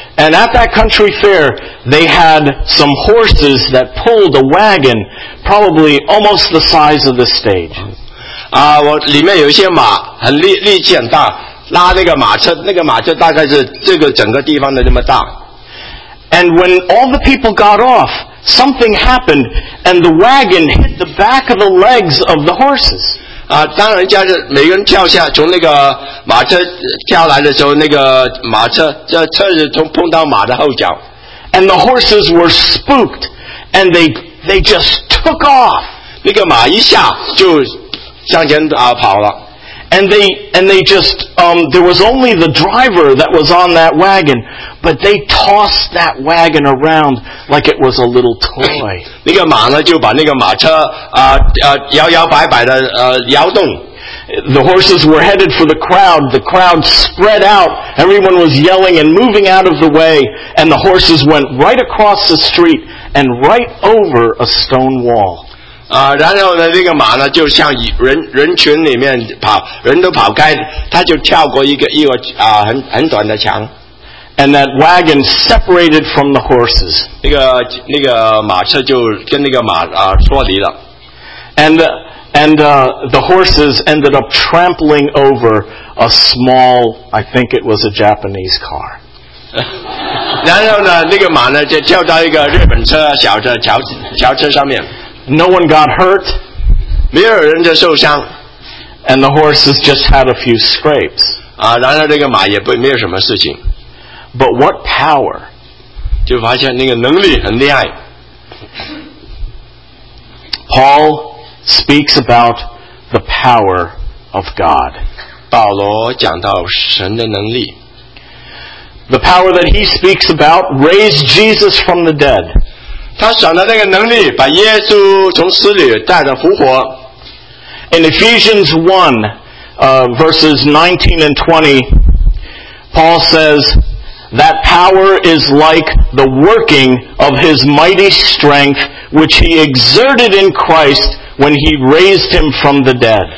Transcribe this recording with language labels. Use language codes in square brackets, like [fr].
[en] And at that country fair, they had some horses that pulled a wagon, probably almost the size of the stage. [zh] 里面有一些马，很力气很大，拉那个马车，那个马车大概是这个整个地方的这么大。 [en] And when all the people got off, something happened, and the wagon hit the back of the legs of the horses. [zh] 啊，当人家是每个人跳下，从那个马车跳来的时候，那个马车这车子从碰到马的后脚。 [en] And the horses were spooked, and they just took off. [zh] 那个马一下就向前啊跑了。 [en] And they there was only the driver that was on that wagon, but they tossed that wagon around like it was a little toy. [zh] 那个马呢就把那个马车摇摇摆摆的摇动。 [en] The horses were headed for the crowd. The crowd spread out. Everyone was yelling and moving out of the way. And the horses went right across the street and right over a stone wall. [zh] 然后呢，那个马呢，就像人群里面跑，人都跑开，他就跳过一个很短的墙。 [en] And that wagon separated from the horses. [zh] 那个马车就跟那个马脱离了。 [en] And the horses ended up trampling over a small, I think it was a Japanese car. [zh] 然后呢，那个马呢就跳到一个日本车小车桥车上面。 [en] No one got hurt. [zh] 没有人就受伤。 [en] And the horses just had a few scrapes. [zh] 啊，然后这个马也不没有什么事情。 [en] But what power? [zh] 就发现那个能力很厉害。 [en] Paul speaks about the power of God. [zh] 保罗讲到神的能力。 [en] The power that he speaks about raised Jesus from the dead. [zh] 他想到那个能力把耶稣从死里带着复活。 [en] In Ephesians 1, verses 19 and 20, Paul says, That power is like the working of his mighty strength, which he exerted in Christ when he raised him from the dead.